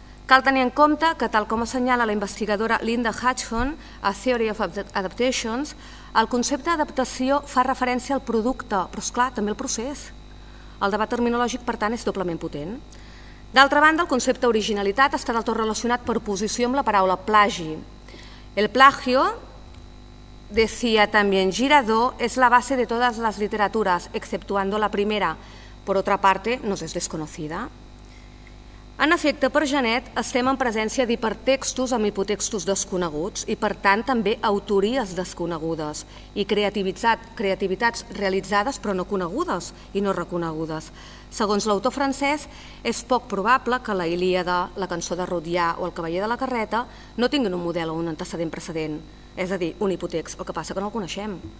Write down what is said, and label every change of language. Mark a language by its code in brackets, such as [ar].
[ca] Cal tenir en compte que, tal com assenyala la investigadora Linda Hutchison a Theory of Adaptations, el concepte d'adaptació fa referència al producte, però, esclar, també al procés. El debat terminològic, per tant, és doblement potent. D'altra banda, el concepte d'originalitat està del tot relacionat per oposició amb la paraula plagi. [es] El plagio, decía también Girardot, es la base de todas las literaturas, exceptuando la primera. Por otra parte, nos es desconocida. [ca] En efecte, per Genet, estem en presència d'hipertextos amb hipotextos desconeguts i, per tant, també autories desconegudes i creativitats realitzades però no conegudes i no reconegudes. Segons l'autor francès, és poc probable que la Ilíada, la cançó de Rodiar o el Cavaller de la Carreta no tinguin un model o un antecedent precedent, és a dir, un hipotext, el que passa que no el coneixem.